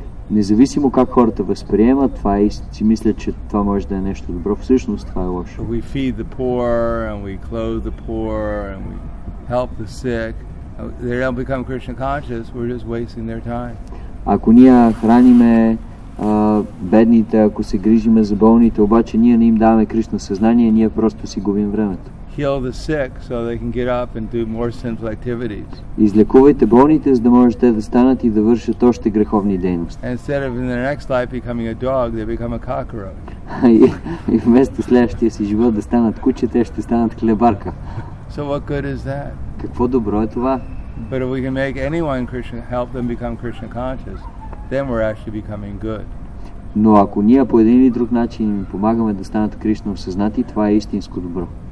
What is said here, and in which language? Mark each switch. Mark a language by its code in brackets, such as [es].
[bg] Независимо как хората възприемат това и си мислят, че това може да е нещо добро, всъщност това е лошо. [en] We feed the poor and we clothe the poor and we help the sick. They don't become Krishna conscious, we're just wasting their time. [bg] Ако ние храниме бедните, ако се грижиме за болните, обаче ние не им даваме Кришна съзнание, ние просто си губим времето. [en] Heal the sick so they can get up and do more sinful activities. [bg] Излекувайте болните, за да можете да станат и да вършат още греховни дейности. [en] Instead of in their next life becoming a dog, they become a cockroach. [bg] И вместо следващия си живот да станат куче, те ще станат хлебарка. [en] So what good is that? [bg] Какво добро е това? [en] But if we can make anyone Krishna, help them become Krishna conscious, then we're actually becoming good. [bg] Но ако ние по един или друг начин им помагаме да станат Кришна осъзнати, това е истинско добро.